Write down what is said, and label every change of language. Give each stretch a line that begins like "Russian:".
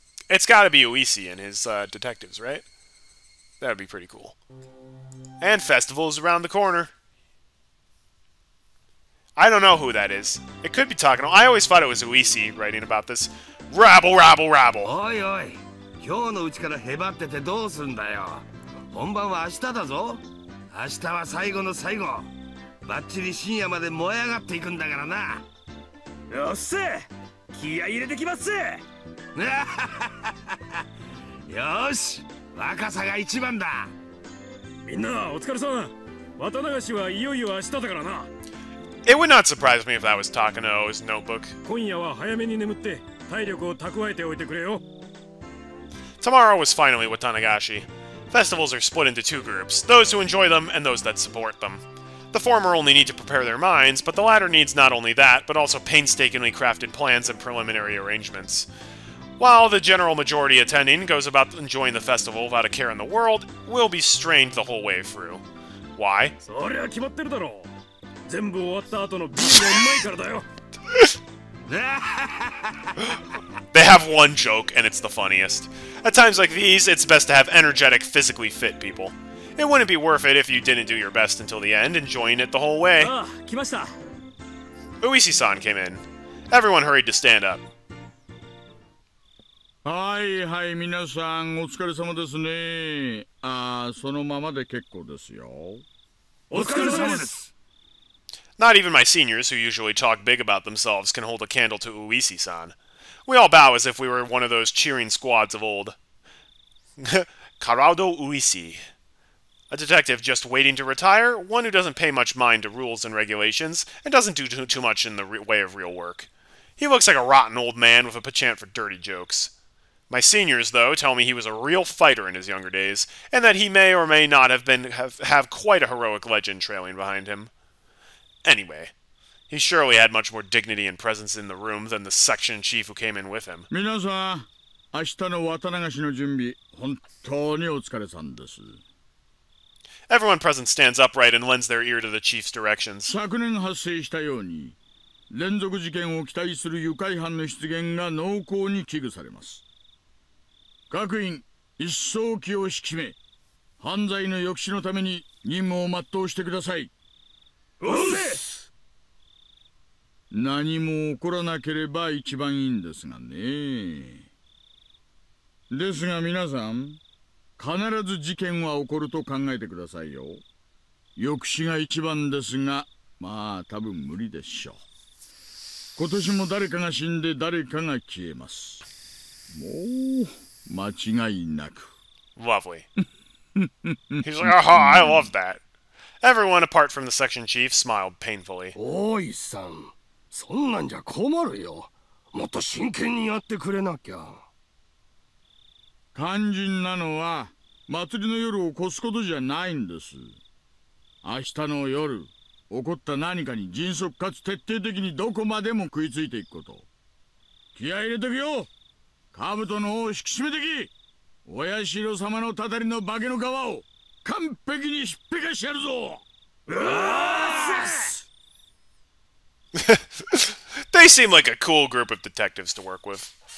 English: It's gotta be Uichi and his detectives, right? That would be pretty cool. And festival's around the corner. I don't know who that is. It could be Takano. I always thought it was Uichi writing about this. Rabble, rabble, rabble. Oi, oi.
Japanese: 今日のうちからへばっててどうすんだよ?本番は明日だぞ? 明日は最後の最後。バッチリ深夜まで燃え上がっていくんだからな。よっせ! 気合い入れてきます。よし、若さが一番だ。みんなお疲れさん。渡流しはいよいよ明日だからな。
English: It would not surprise me if that was Takano's notebook.
Japanese: 今夜は早めに眠って体力を蓄えておいてくれよ。
English: Tomorrow was finally Watanagashi. Festivals are split into two groups, those who enjoy them and those that support them. The former only need to prepare their minds, but the latter needs not only that, but also painstakingly crafted plans and preliminary arrangements. While the general majority attending goes about enjoying the festival without a care in the world, will be strained the whole way through. Why?
Japanese: それは決まってるだろう。全部終わった後のビールがうまいからだよ。
English: They have one joke, and it's the funniest. At times like these, it's best to have energetic, physically fit people. It wouldn't be worth it if you didn't do your best until the end, enjoying it the whole way.
Japanese: Ah, 来ました。
English: Uishi-san came in. Everyone hurried to stand up.
Japanese: はいはい、皆さん、お疲れ様ですね。そのままで結構ですよ。お疲れ様です。
English: Not even my seniors, who usually talk big about themselves, can hold a candle to Uishi-san. We all bow as if we were one of those cheering squads of old. Karado Uishi. A detective just waiting to retire, one who doesn't pay much mind to rules and regulations, and doesn't do too much in the way of real work. He looks like a rotten old man with a penchant for dirty jokes. My seniors, though, tell me he was a real fighter in his younger days, and that he may or may not have quite a heroic legend trailing behind him. Anyway, he surely had much more dignity and presence in the room than the section chief who came in with him.
Japanese: 皆さん、明日の渡流しの準備、本当にお疲れさんです。
English: Everyone present stands upright and lends their ear to the chief's directions.
Japanese: 昨年発生したように、連続事件を期待する愉快犯の出現が濃厚に危惧されます。各員、一層気を引き締め、犯罪の抑止のために任務を全うしてください。うっす。何も起こらなければ一番いいんですがね。ですが皆さん、必ず事件は起こると考えてくださいよ。抑止が一番ですが、まあ多分無理でしょう。今年も誰かが死んで誰かが消えます。もう間違いなく。
English: Lovely. He's like, oh, I love that. Everyone, apart from the section chief, smiled painfully.
Japanese: Oi-san, そんなんじゃ困るよ。もっと真剣にやってくれなきゃ。肝心なのは、祭りの夜を越すことじゃないんです。明日の夜、起こった何かに迅速かつ徹底的にどこまでも食いついていくこと。気合い入れてくよ。兜の尾を引き締めてき。お社様のたたりの化けの皮を。完璧に引っぺかしやるぞ。
English: They seem like a cool group of detectives to work with.